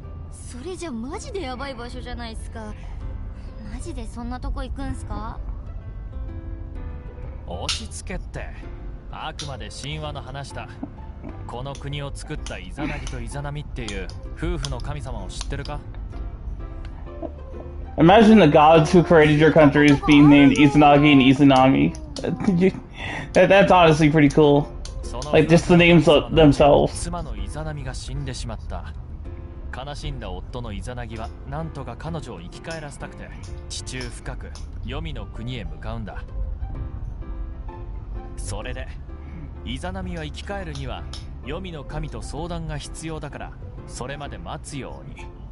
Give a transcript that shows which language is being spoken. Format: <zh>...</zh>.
<ja>それじゃマジでヤバい場所じゃないっすか。マジでそんなとこ行くんすか。押し付けって。あくまで神話の話だ。この国を作ったイザナギとイザナミっていう夫婦の神様を知ってるか。</ja> <en>Imagine the gods who created your country is being named Izanagi and Izanami. That's honestly pretty cool. Like just the names themselves.</en> <ja>妻のイザナミが死んでしまった。悲しんだ夫のイザナギは何とか彼女を生き返らせたくて地中深く黄泉の国へ向かうんだ。それでイザナミは生き返るには黄泉の神と相談が必要だからそれまで待つように。</ja>